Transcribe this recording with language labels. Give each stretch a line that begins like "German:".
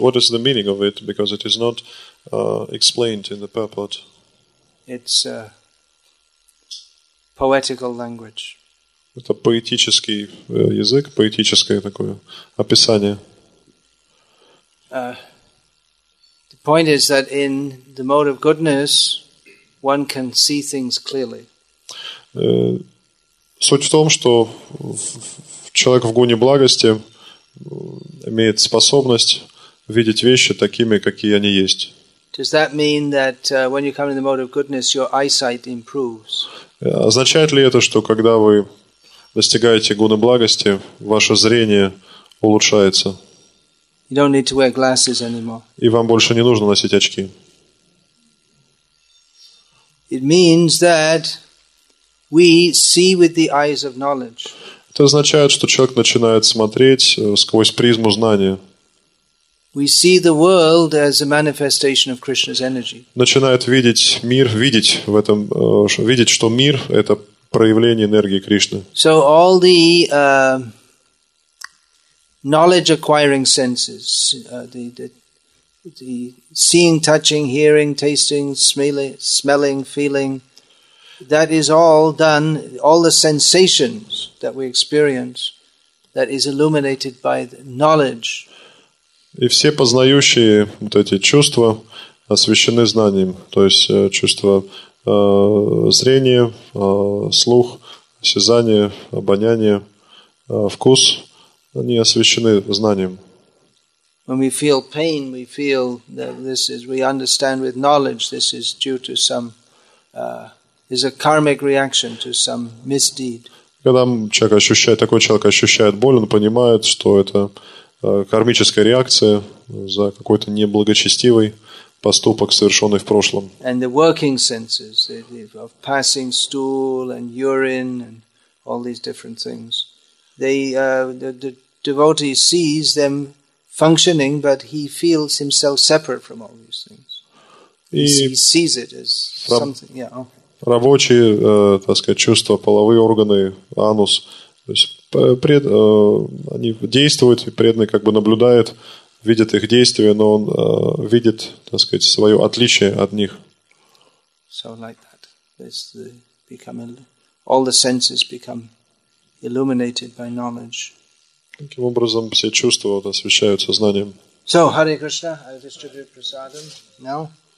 English: What is the meaning of it? Because it is not explained in the purport. It's a poetical language.
Russian: Это поэтический язык, поэтическое такое описание.
English: The point is that in the mode of goodness, one can see things clearly.
Russian: Суть в том, что человек в гуне благости имеет способность видеть вещи такими, какие они есть.
English: Does that mean that when you come in the mode of goodness, your eyesight improves?
Russian: Означает ли это, что когда вы достигаете гуны благости, ваше зрение улучшается?
English: You don't need to wear glasses anymore.
Russian: И вам больше не нужно носить очки.
English: It means that we see with the eyes of knowledge.
Russian: Это означает, что человек начинает смотреть сквозь призму знания.
English: We see the world as a manifestation of Krishna's energy.
Russian: Начинает видеть мир, видеть, что мир – это проявление энергии Кришны.
English: So all the knowledge acquiring senses, the seeing, touching, hearing, tasting, smelling, feeling, that is all done, all the sensations that we experience, that is illuminated by the knowledge.
Russian: И все познающие вот эти чувства освящены знанием, то есть чувства зрения, слух, осязание, обоняние, вкус, они освящены знанием.
English: When we feel pain, we feel that this is, we understand with knowledge, this is due to some, is a karmic reaction to some misdeed.
Russian: Когда человек ощущает, такой человек ощущает боль, он понимает, что это кармическая реакция за какой-то неблагочестивый поступок, совершенный в прошлом.
English: And the working senses of passing stool and urine and all these different things, the devotee sees them functioning, but he feels himself separate from all these things. He sees it as something. Yeah. Okay.
Russian: Рабочие, так сказать, чувства, половые органы, анус. То есть они действуют, и преданный как бы наблюдает, видит их действия, но он видит, так сказать, свое отличие от них.
English: So like that. All the senses become illuminated by knowledge.
Russian: Таким образом, все чувства вот, освещаются знанием.
English: So, Hare Krishna, I distribute prasadam now.